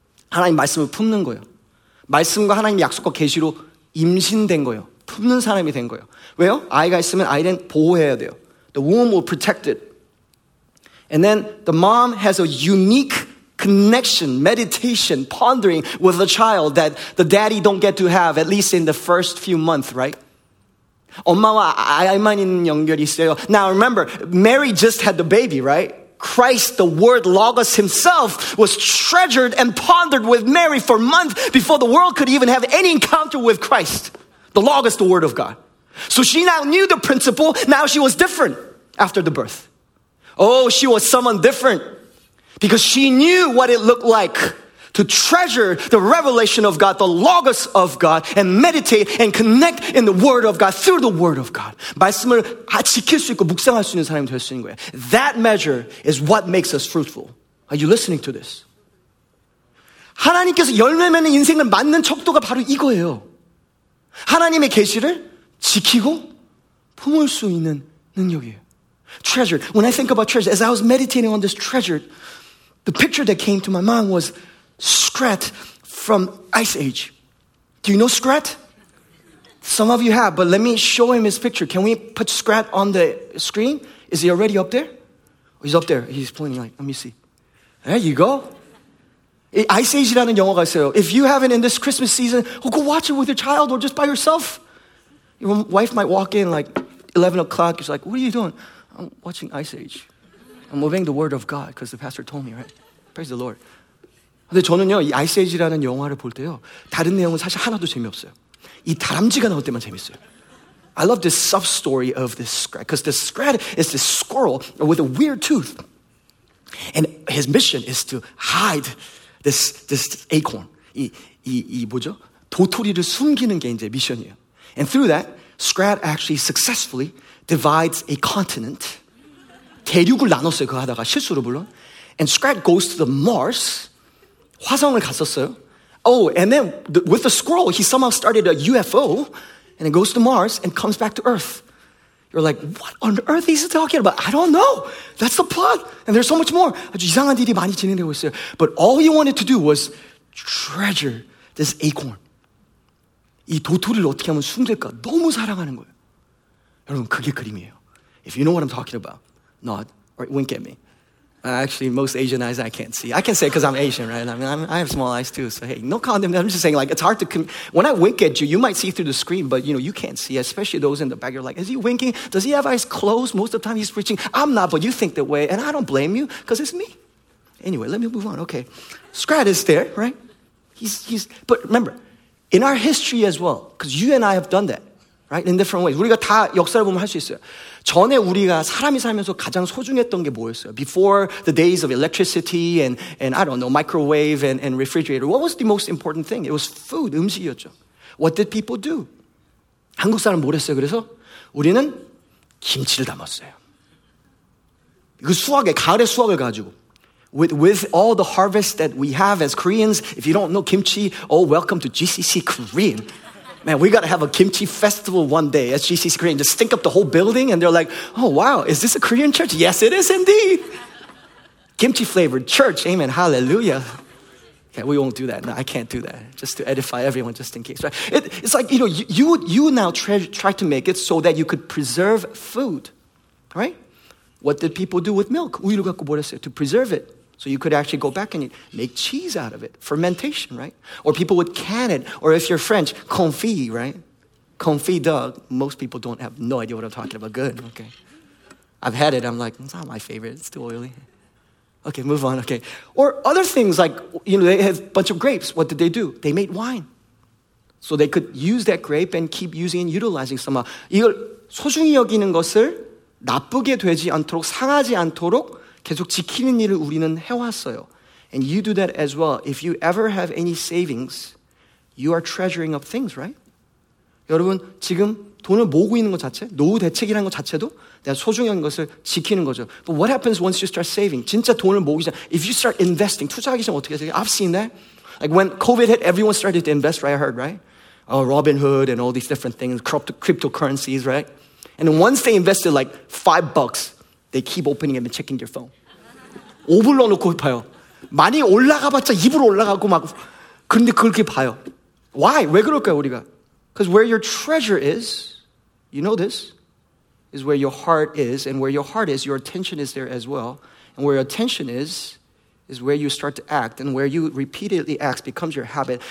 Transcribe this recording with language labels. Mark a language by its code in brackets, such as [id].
[ko] 하나님 말씀을 품는 거예요. 말씀과 하나님 약속과 계시로 임신된 거예요. 품는 사람이 된 거예요. 왜요? 아이가 있으면 아이는 보호해야 돼요. [en] The womb will protect it. And then the mom has a unique connection, meditation, pondering with the child that the daddy don't get to have, at least in the first few months, right? [ko] 엄마와 아이만 있는 연결이 있어요. [en] Now remember, Mary just had the baby, right? Christ, the word Logos himself, was treasured and pondered with Mary for months before the world could even have any encounter with Christ. The Logos, the word of God. So she now knew the principle. Now she was different after the birth. Oh, she was someone different because she knew what it looked like to treasure the revelation of God, the Logos of God, and meditate and connect in the Word of God through the Word of God. [ko] 말씀을 지킬 수 있고 묵상할 수 있는 사람이 될 수 있는 거예요. [en] That measure is what makes us fruitful. Are you listening to this? [ko] 하나님께서 열매 맺는 인생을 맺는 척도가 바로 이거예요. 하나님의 계시를 지키고 품을 수 있는 능력이에요. [en] Treasured. When I think about treasure, as I was meditating on this treasure, the picture that came to my mind was Skret from Ice Age. Do you know Skret? Some of you have, but let me show him his picture. Can we put Skret on the screen? Is he already up there? He's up there. He's pointing like, let me see. There you go. Ice Age [ko] 라는 영화가 있어요. [en] If you haven't in this Christmas season, go watch it with your child or just by yourself. Your wife might walk in like 11 o'clock. She's like, what are you doing? I'm watching Ice Age. I'm obeying the word of God because the pastor told me, right? Praise the Lord. [ko] 근데 저는요, 이 Ice Age라는 영화를 볼 때요, 다른 내용은 사실 하나도 재미없어요. 이 다람쥐가 나올 때만 재밌어요. [en] I love this sub-story of this Skret, because this Skret is this squirrel with a weird tooth. And his mission is to hide this acorn. [ko] 이 뭐죠? 도토리를 숨기는 게 이제 미션이에요. [en] And through that, Skret actually successfully divides a continent. [ko] 대륙을 나눴어요, 그거 하다가 실수로 물론. [en] And Skret goes to the Mars. [ko] 화성을 갔었어요. [en] Oh, and then with the squirrel, he somehow started a UFO. And it goes to Mars and comes back to Earth. You're like, what on earth is he talking about? I don't know. That's the plot. And there's so much more. [ko] 아주 이상한 일이 많이 진행되고 있어요. [en] But all he wanted to do was treasure this acorn. [ko] 이 도토리를 어떻게 하면 숨길까? 너무 사랑하는 거예요. 여러분, 그게 그림이에요. [en] If you know what I'm talking about, nod or wink at me. Actually, most Asian eyes I can't see. I can say it because I'm Asian, right? I mean, I have small eyes too, so hey, no condemnation. I'm just saying, like, it's hard to... When I wink at you, you might see through the screen, but, you know, you can't see, especially those in the back. You're like, is he winking? Does he have eyes closed? Most of the time he's preaching. I'm not, but you think that way, and I don't blame you because it's me. Anyway, let me move on. Okay. Skret is there, right? He's. But remember, in our history as well, because you and I have done that, right? In different ways. [ko] 우리가 다 역사를 보면 할 수 있어요. 전에 우리가 사람이 살면서 가장 소중했던 게 뭐였어요? [en] Before the days of electricity and I don't know, microwave and refrigerator, what was the most important thing? It was food, [ko] 음식이었죠. [en] What did people do? [ko] 한국 사람 뭘 했어요? 그래서 우리는 김치를 담았어요. 그 수확에, 가을에 수확을 가지고. [en] With all the harvest that we have as Koreans, if you don't know kimchi, oh, welcome to GCC Korean. Man, we got to have a kimchi festival one day at GCC Korean. Just stink up the whole building and they're like, oh, wow, is this a Korean church? Yes, it is indeed. Kimchi flavored church. Amen. Hallelujah. Okay, we won't do that. No, I can't do that. Just to edify everyone just in case. Right? It's like, you know, you now try to make it so that you could preserve food, right? What did people do with milk? [ko] 우유를 갖고 뭘 했어요? [en] To preserve it. So you could actually go back and make cheese out of it. Fermentation, right? Or people would can it. Or if you're French, confit, right? Confit dog. Most people don't have no idea what I'm talking about. Good, okay. I've had it. I'm like, it's not my favorite. It's too oily. Okay, move on. Okay. Or other things like, you know, they had a bunch of grapes. What did they do? They made wine. So they could use that grape and keep using and utilizing somehow. [ko] 이걸 소중히 여기는 것을 나쁘게 되지 않도록, 상하지 않도록 계속 지키는 일을 우리는 해왔어요. [en] And you do that as well. If you ever have any savings, you are treasuring up things, right? [ko] 여러분, 지금 돈을 모으고 있는 것 자체, 노후 대책이라는 것 자체도 내가 소중한 것을 지키는 거죠. [en] But what happens once you start saving? [ko] 진짜 돈을 모으기 전, [en] if you start investing, [ko] 투자하기 전 어떻게 하세요? [en] I've seen that. Like when COVID hit, everyone started to invest, right? I heard, right? Oh, Robinhood and all these different things, cryptocurrencies, right? And once they invested like $5, they keep opening it and checking their phone. [ko] 5불 넣어놓고 봐요. 많이 올라가봤자 2불 올라가고 막, 근데 그렇게 봐요. [en] Why? [ko] 왜 그럴까요, 우리가? [en] Because where your treasure is, you know this, is where your heart is. And where your heart is, your attention is there as well. And where your attention is where you start to act. And where you repeatedly act becomes your habit.